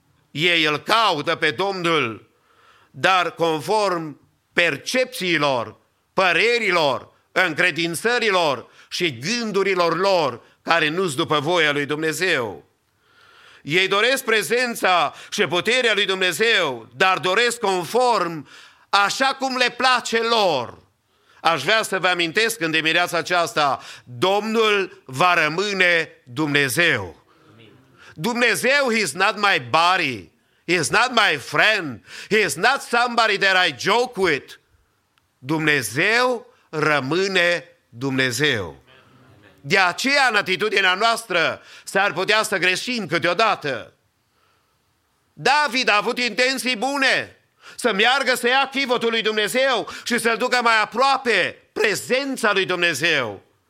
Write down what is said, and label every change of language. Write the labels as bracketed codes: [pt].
[ro] Ei îl caută pe Domnul, dar conform percepțiilor, părerilor, încredințărilor și gândurilor lor care nu-s după voia lui Dumnezeu. Ei doresc prezența și puterea lui Dumnezeu, dar doresc conform așa cum le place lor. Aș vrea să vă amintesc în dimineața aceasta: Domnul va rămâne Dumnezeu. [en] Dumnezeu is not my buddy. He is not my friend. He is not somebody that I joke with. [ro] Dumnezeu rămâne Dumnezeu. De aceea, în atitudinea noastră, s-ar putea să greșim câteodată. David a avut intenții bune să meargă să ia chivotul lui Dumnezeu și să-l ducă mai aproape prezența lui Dumnezeu.